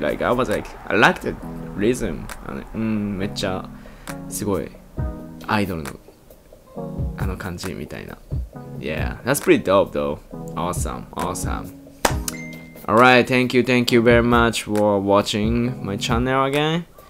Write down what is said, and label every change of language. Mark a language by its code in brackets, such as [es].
[en] Like I was like I liked the rhythm. [ja] めっちゃすごいアイドルのあの感じみたいな。 [en] Yeah, that's pretty dope though. Awesome, awesome. Alright, thank you very much for watching my channel again.